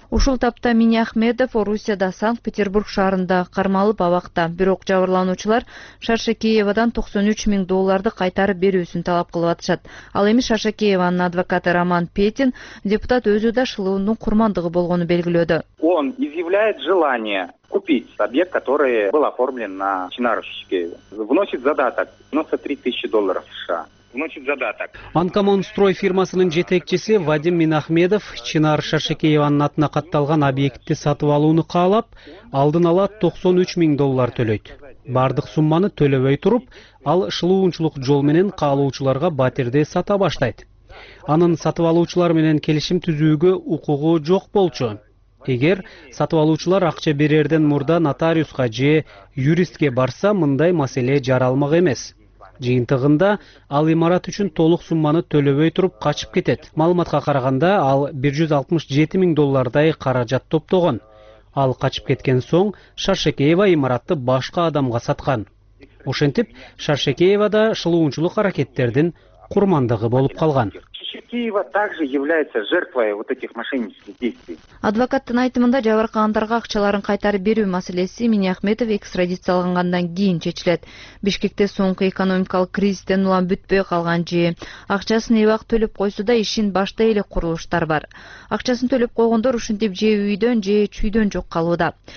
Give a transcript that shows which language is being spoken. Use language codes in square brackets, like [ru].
[ky] Ушул тапта Миниахмедов Орусияда Санкт-Петербург шаарында кармалып абакта. Бирок жабырлануучулар Шаршакеевадан $93,000 кайтарып берүүсүн талап кылып атышат. Ал эми Шаршакеевадын адвокаты Роман Петин депутат өзү да шылуундун курмандыгы болгону белгилөөдө. [ru] Он изъявляет желание купить объект, который был оформлен на Чинару Шишкееву. Вносит задаток $93,000 США. [ky] Анкомонстрой фирмасынын жетекчиси Вадим Минахмедов Чынар Шаршекееванын атына катталган объектти сатып алууну каалап, алдын ала $93,000 төлөйт. Бардык сумманы төлөбөй туруп, ал шылуунчулук жол менен каалоочуларга батирди сата баштайт. Анын сатып алуучулар менен келишим түзүүгө укугу жок болчу. Эгер сатып алуучулар акча берерден мурда нотариуска же юристке барса, мындай маселе жаралмак эмес. Жыйынтыгында ал имарат үчүн толук сумманы төлөбөй туруп качып кетет. Маалыматка караганда ал $167,000 каражат топтогон. Ал качып кеткен соң Шаршекеева имаратты башка адамга саткан. Ошентип Шаршекеева да шылуунчулук аракеттердин курмандыгы болуп калган. [ru] Кичи Киева также является жертвой вот этих мошеннических действий. [ky] Адвокаттын айтымында жабыркагандарга акчаларын кайтарып берүү маселеси Миниахметов экстрадицияланганда кийин чечилет. Бишкекте соңку экономикалык кризистен улам бүтпөй калган же акчасын эбак төлөп койсо да ишин башта эле курулуштар бар. Акчасын төлөп койгондор ушинтип же үйдөн же чүйдөн жок калууда.